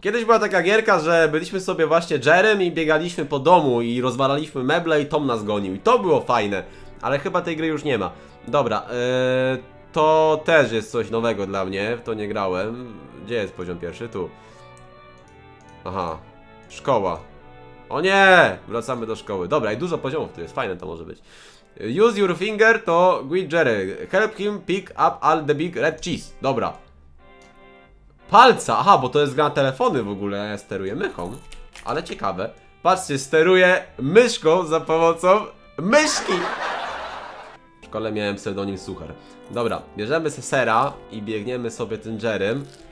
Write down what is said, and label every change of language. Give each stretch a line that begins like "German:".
Polish: Kiedyś była taka gierka, że byliśmy sobie właśnie Jerrym i biegaliśmy po domu i rozwalaliśmy meble i Tom nas gonił. I to było fajne, ale chyba tej gry już nie ma. Dobra, to też jest coś nowego dla mnie, w to nie grałem. Gdzie jest poziom pierwszy? Tu. Aha, szkoła. O nie, wracamy do szkoły. Dobra, i dużo poziomów tu jest, fajne to może być.
English: Use your finger to greet Jerry. Help him pick up all the big red cheese.
Polish: Dobra. palca, aha, bo to jest gra na telefony w ogóle, a ja steruję myszką. Ale ciekawe. Patrzcie, steruję myszką za pomocą myszki. W szkole miałem pseudonim suchar. Dobra, bierzemy se sera i biegniemy sobie tym Jerrym.